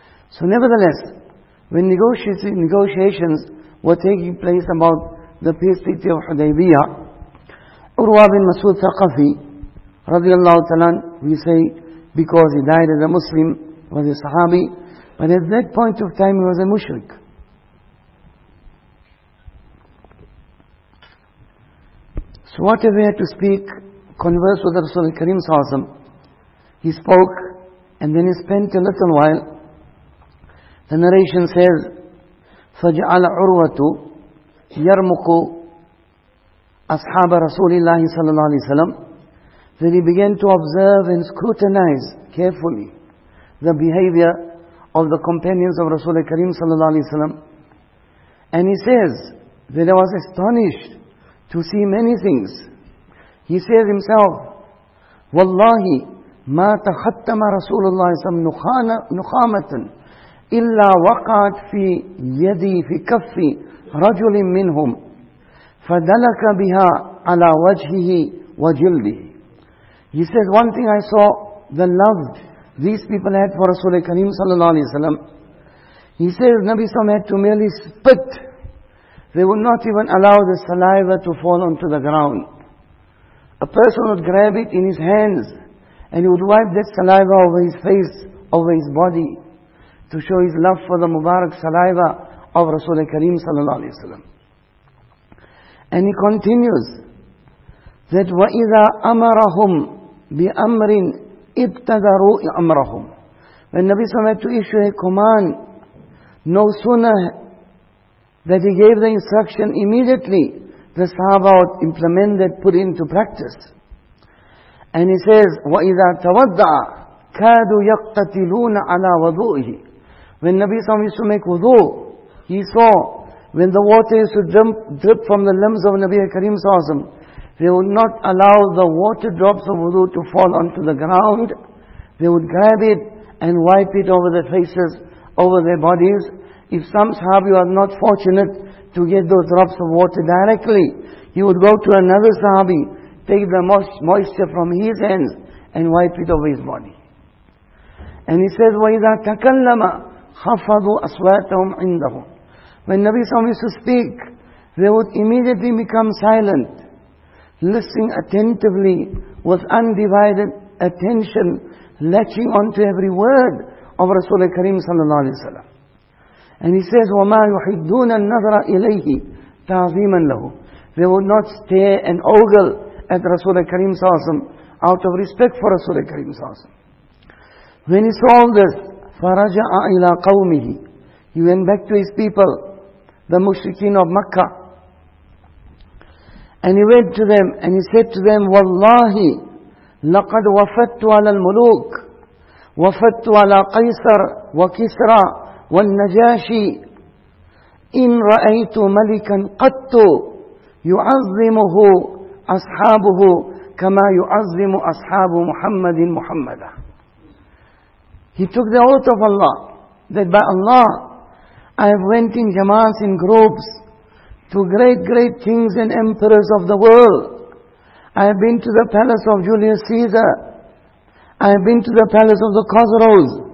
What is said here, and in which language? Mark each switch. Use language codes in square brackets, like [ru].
[en] So nevertheless, when negotiations were taking place about the peace treaty of Hudaybiyah, Urwa bin Mas'ud Thaqafi, radiallahu ta'ala, we say, because he died as a Muslim, was a Sahabi, but at that point of time he was a Mushrik. So whatever he had to speak, converse with Rasulullah Kareem Sallallahu Alaihi, he spoke, and then he spent a little while. The narration says, [ar] فَجَعَلَ عُرْوَةُ يَرْمُقُ أَصْحَابَ رَسُولِ اللَّهِ صَلَى اللَّهِ عَلَيْهِ وَسَلَمْ. [en] Then he began to observe and scrutinize carefully the behavior of the companions of Rasulullah Kareem sallallahu alayhi wa sallam. And he says that I was astonished to see many things. He says himself, [ar] وَاللَّهِ مَا تَخَتَّمَ رَسُولُ اللَّهِ صَلَى اللَّهِ نُخَامَةً إِلَّا وَقَعَتْ فِي يَدِي فِي كَفِّي رَجُلٍ مِّنْهُمْ فَدَلَكَ بِهَا عَلَى وَجْهِهِ وَجِلْدِهِ. [en] He says, one thing I saw, the love these people had for Rasulullah Kareem sallallahu alayhi wa sallam. He says, Nabi Sallam had to merely spit. They would not even allow the saliva to fall onto the ground. A person would grab it in his hands and he would wipe that saliva over his face, over his body, to show his love for the Mubarak saliva of Rasulullah Kareem sallallahu alayhi wa sallam. And he continues, that [ar] وَإِذَا أَمَرَهُمْ بِأَمْرٍ ابْتَدَرُوا أَمْرَهُمْ. [en] When Nabi Sallam had to issue a command, no sooner that he gave the instruction, immediately the Sahaba would implement that, put into practice. And he says, [ar] وَإِذَا تَوَدَّعَ كَادُوا يَقْتَتِلُونَ عَلَى وَضُوءِهِ. [en] When Nabi Sallam used to make wudu, he saw when the water used to drip from the limbs of Nabi Kareem Sallallahu Alaihi Wasallam, they would not allow the water drops of wudu to fall onto the ground. They would grab it and wipe it over their faces, over their bodies. If some sahabi was not fortunate to get those drops of water directly, he would go to another sahabi, take the moisture from his hands and wipe it over his body. And he says, [ar] وَإِذَا تَكَلَّمَ خَفَضُوا أَصْوَاتَهُمْ عِنْدَهُمْ. [en] When Nabi Sallallahu Alaihi Wasallam used to speak, they would immediately become silent, listening attentively with undivided attention, latching onto every word of Rasulullah Kareem sallallahu alayhi wa sallam. And he says, [ar] وَمَا يُحِدُّونَ النَّظْرَ إِلَيْهِ تَعْظِيمًا لَهُ. [en] They would not stare and ogle at Rasulullah Kareem sallallahu alayhi wa sallam out of respect for Rasulullah Kareem sallallahu alayhi wa sallam. When he saw all this, [ar] فَرَجَعَ إِلَىٰ قَوْمِهِ. [en] He went back to his people, the mushrikeen of Makkah. And he went to them and he said to them, [ar] وَاللَّهِ لَقَدْ وَفَدْتُ عَلَى الْمُلُوكِ وَفَدْتُ عَلَى قَيْسَرْ وَكِسْرَى وَالنَّجَاشِ إِنْ رَأَيْتُ مَلِكًا قَدْتُ يُعَظِّمُهُ أَصْحَابُهُ كَمَا يُعَظِّمُ أَصْحَابُ مُحَمَّدٍ مُحَمَّدًا. [en] He took the oath of Allah, that by Allah, I have went in jamaats, in groups, to great, great kings and emperors of the world. I have been to the palace of Julius Caesar. I have been to the palace of the Khosrows.